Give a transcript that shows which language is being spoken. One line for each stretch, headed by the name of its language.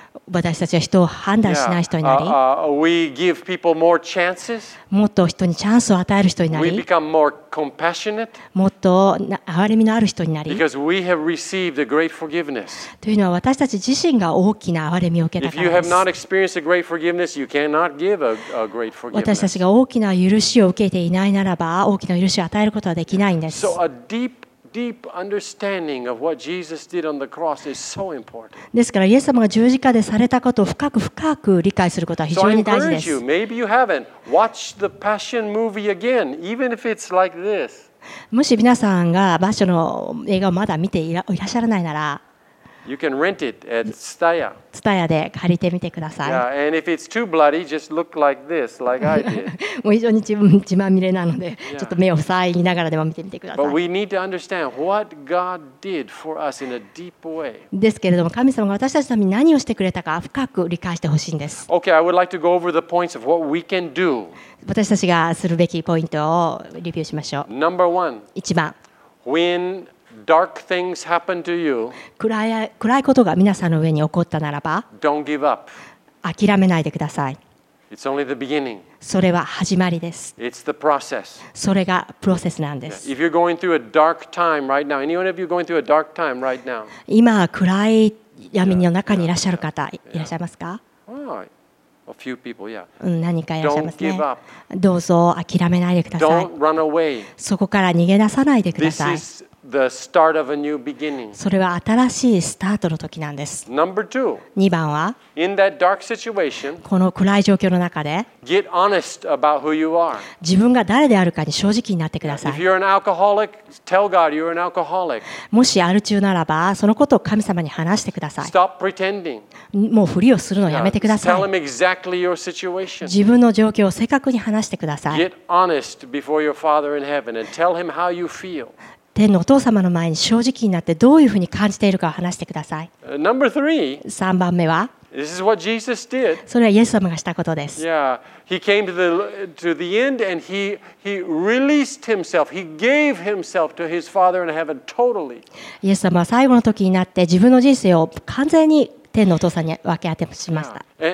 Japanese: 私たちは人を判断しない人になり、
English: we give people more chances.
Japanese: もっと人にチャンスを与える人になり、
English: we become more compassionate.
Japanese: もっと憐れみのある人になり、
English: because we have received a great forgiveness.
Japanese: というのは私たち自身が大きな憐れみを受けたからです。
English: If you have not experienced a great forgiveness, you cannot give a great forgiveness.
Japanese: 私たちが大きな許しを受けていないならば、大きな許しを与えることはできないんです。
English: So a deepDeep understanding of what Jesus did on the cross is so important.
Japanese: ですから、イエス様が十字架でされたことを深く深く理解することは非常に大事です。
English: So I encourage you, maybe you haven't watched the Passion movie again, even if it's like this.
Japanese: もし皆さんがバッショの映画をまだ見ていらっしゃらないなら、
English: You can rent it at Tsutaya.
Japanese: Tsutaya で借りてみてください。
English: Yeah, and if it's too bloody, just look like this, like I did.
Japanese: もう非常に血まみれなので、yeah. ちょっと目を塞いながらでも見てみてください。
English: But we need to understand what God did for us in a deep way.
Japanese: ですけれども、神様が私たちのために何をしてくれたか深く理解してほしいんです。
English: Okay, I would like to go over the points of what we can do.
Japanese: 私たちがするべきポイントをレビューしましょう。
English: Number one.
Japanese: 一番。
English: When Dark things happen to you.
Japanese: 暗いことが皆さんの上に起こったならば、
English: Don't give up.
Japanese: 諦めないでください。
English: It's only the beginning.
Japanese: それは始まりです。
English: It's the process.
Japanese: それがプロセスなんです。
English: If you're going through a dark time right now, anyone of you going through a dark time right now?
Japanese: 今暗い闇の中にいらっしゃる方いらっしゃいますか？
English: A few people, yeah.
Japanese: 何かいらっしゃいますね。どうぞ諦めないでください。
English: Don't run away.
Japanese: そこから逃げ出さないでください。
English: This is the start of a new beginning.
Japanese: それは新しいスタートの時なんです。
English: Number two.
Japanese: 2番は、
English: In that dark situation,
Japanese: この暗い状況の中で、
English: Get honest about who you are.
Japanese: 自分が誰であるかに正直になってください。
English: If you're an alcoholic, tell God you're an alcoholic.
Japanese: もしアル中ならば、そのことを神様に話してください。
English: Stop pretending.
Japanese: もうふりをするのをやめてください。
English: Tell him exactly your situation.
Japanese: 自分の状況を正確に話してください。
English: Get honest before your Father in heaven and tell him how you feel.
Japanese: 天のお父様の前に正直になってどういうふうに感じているかを話してください。
English: Number three.
Japanese: 3番目は。
English: This is what Jesus did.
Japanese: それはイエス様がしたことです。
English: Yeah, he came to the end and he released himself. He gave himself to his Father in heaven totally.
Japanese: イエス様は最後の時になって自分の人生を完全に天のお父さんに分け与えしました。